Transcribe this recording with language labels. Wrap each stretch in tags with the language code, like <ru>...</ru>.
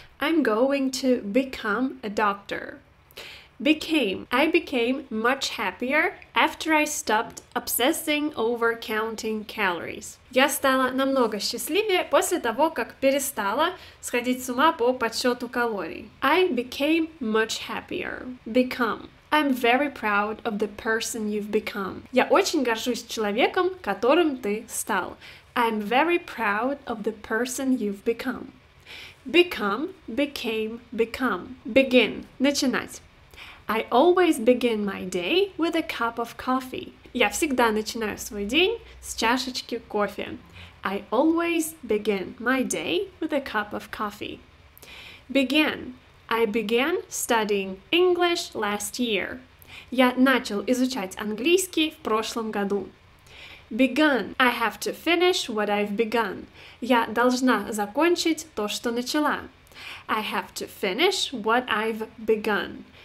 <en>I'm going to become a doctor. Became. I became much happier after I stopped obsessing over counting calories.</en> <ru>Я стала намного счастливее после того, как перестала сходить с ума по подсчету калорий.</ru> <en>I became much happier. Become. I'm very proud of the person you've become.</en> <ru>Я очень горжусь человеком, которым ты стал.</ru> <en>I'm very proud of the person you've become. Become. Became. Become. Begin.</en> <ru>Начинать.</ru> <en>I always begin my day with a cup of coffee.</en> <ru>Я всегда начинаю свой день с чашечки кофе.</ru> <en>I always begin my day with a cup of coffee. Begin. I began studying English last year.</en> <ru>Я начал изучать английский в прошлом году.</ru> <en>Begun. I have to finish what I've begun.</en> <ru>Я должна закончить то, что начала.</ru> <en>I have to finish what I've begun.</en>